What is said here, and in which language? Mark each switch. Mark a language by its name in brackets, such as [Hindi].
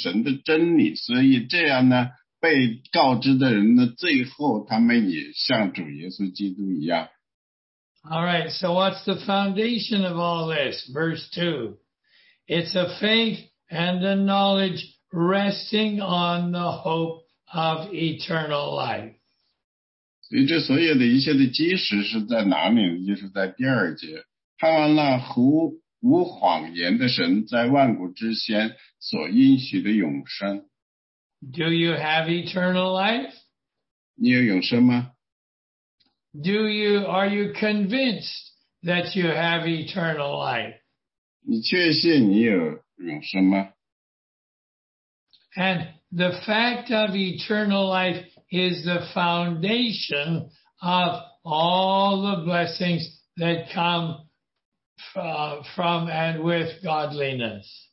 [Chinese] 因为使徒本能说呢，我的工作呢，就是告诉人家主耶稣基督，告诉神的真理，所以这样呢。被告知的人呢，最后他们也像主耶稣基督一样。 [English] All right, so what's the foundation of all this? Verse 2. It's a faith and a knowledge resting on the hope of eternal life. [Chinese] 所以这所有的一切的基石是在哪里？就是在第二节，盼望那无谎言的神在万古之前所应许的永生。 [English] Do you have eternal life? [Chinese] 你有永生吗？ [English] Are you convinced that you have eternal life? [Chinese] 你确信你有永生吗？ [English] And the fact of eternal life is the foundation of all the blessings that come from and with godliness.